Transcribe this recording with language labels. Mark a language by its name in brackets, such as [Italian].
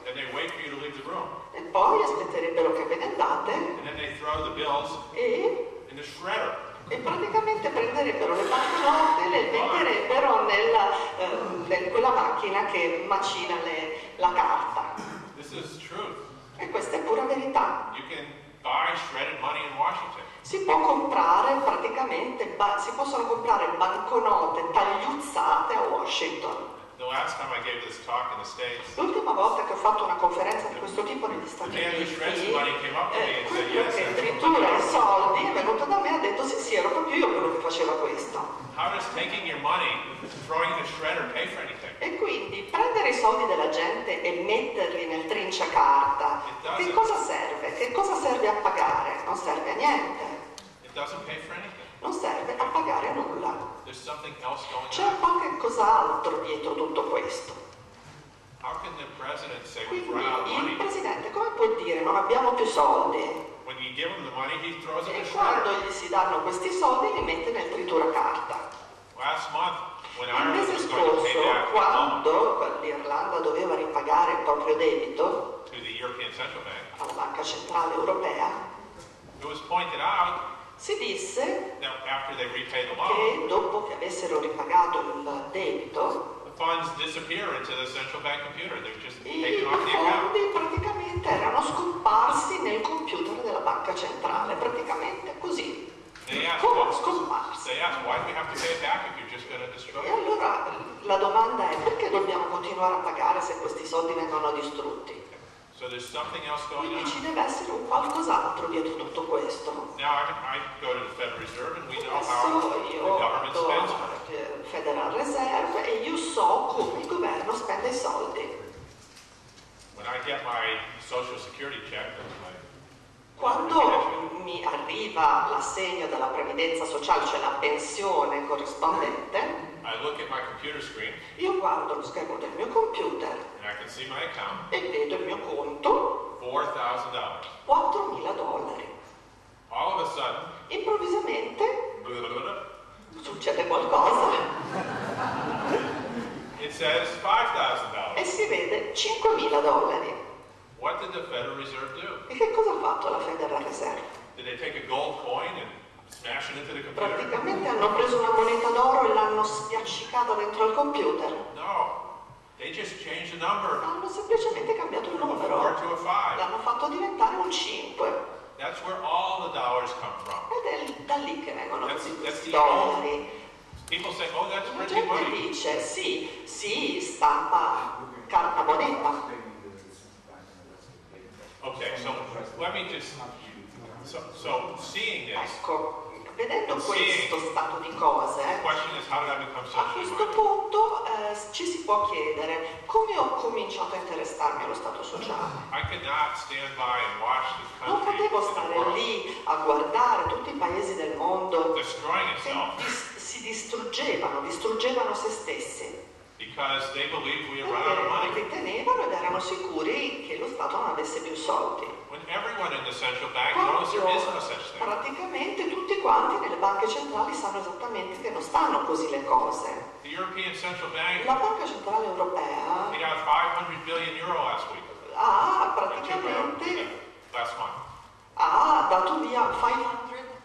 [English] And they wait for you to leave the room. [Italian] E poi aspetterebbero che ve ne andate. [English] And then they throw the bills in the shredder. [Italian] E praticamente prenderebbero le banconote e le metterebbero nella quella macchina che macina la carta. [English] This is truth. [Italian] E questa è pura verità. [English] You can buy shredded money in Washington. [Italian] Si può comprare praticamente, si possono comprare banconote tagliuzzate a Washington. [English] The last time I gave this talk in the States, [Italian] l'ultima volta che ho fatto una conferenza di questo tipo negli Stati Uniti, quello che tritura i soldi è venuto da me e ha detto sì, ero proprio io quello che faceva questo. [English] How does taking your money, throwing the shredder, pay for anything? [Italian] E quindi prendere i soldi della gente e metterli nel trinciacarta, che cosa serve? Che cosa serve a pagare? Non serve a niente. [English] It doesn't pay for anything. [Italian] Non serve a pagare nulla. [English] There's something else going on. [Italian] C'è qualche cos'altro dietro tutto questo. [English] How can the president say [Italian] quindi [English] we've run out of money? [Italian] Il presidente come può dire non abbiamo più soldi? [English] When you give him the money, he throws [Italian] e [English] the [Italian] quando gli si danno questi soldi li mette nel trituracarta. [English] Last month, when [Italian] il mese scorso quando l'Irlanda doveva ripagare il proprio debito [English] to the European Central Bank, [Italian] alla Banca Centrale Europea, [English] it was pointed out, [Italian] si disse [English] after they repay the loan, [Italian] che dopo che avessero ripagato il debito, [English] the funds disappear into the central bank computer. They're just [Italian] i fondi praticamente erano scomparsi nel computer della banca centrale, praticamente così. Come scomparsi? E allora la domanda è perché dobbiamo continuare a pagare se questi soldi vengono distrutti? [English] So there's something else going [Italian] quindi [English] on. [Italian] Ci deve essere un qualcos'altro dietro tutto questo. [English] Now I go to the Federal Reserve and we know [Italian] adesso [English] how the government spends [Italian] Federal Reserve e io so come il governo spende i soldi. [English] When I get my social security check, [Italian] quando mi arriva l'assegno della previdenza sociale, cioè la pensione corrispondente, [English] I look at my computer screen, [Italian] io guardo lo schermo del mio computer [English] and I can see my account, [Italian] e vedo il mio conto, $4,000. [English] All of a sudden, [Italian] improvvisamente, blablabla, succede qualcosa. [English] It says $5,000. [Italian] E si vede $5,000. [English] What did the Federal Reserve do? [Italian] E che cosa ha fatto la Federal Reserve? [English] Did they take a gold coin and smash it into the computer? [Italian] Praticamente hanno preso una moneta d'oro e l'hanno spiaccicata dentro il computer. [English] No, they just changed the number. [Italian] Hanno semplicemente cambiato il numero. [English] From a 4 to a 5. [Italian] L'hanno fatto diventare un 5. [English] That's where all the dollars come from. [Italian] Ed è da lì che vengono questi [English] that's [Italian] dollari. [English] People say, oh, that's [Italian] la gente [English] money. [Italian] Dice, sì, stampa carta moneta. [English] Okay, so let me just so seeing this. [Italian] Ecco, vedendo questo stato di cose. [English] The question is, how did I become social? [Italian] A questo punto ci si può chiedere come ho cominciato a interessarmi allo stato sociale. [English] I could not stand by and watch this country. [Italian] Non potevo stare lì a guardare tutti i paesi del mondo [English] destroying itself. [Italian] Si distruggevano se stessi. [English] Because they believed we had run out of money. [Italian] Perché tenevano ed erano sicuri che lo Stato non avesse più soldi. [English] When everyone in the central bank knows there is no such thing. [Italian] Praticamente tutti quanti nelle banche centrali sanno esattamente che non stanno così le cose. [English] The European Central Bank, [Italian] la Banca Centrale Europea, [English] they got 500 billion euro last week. [Italian] Ah, praticamente [English] last month. [Italian] Ah, dato via 500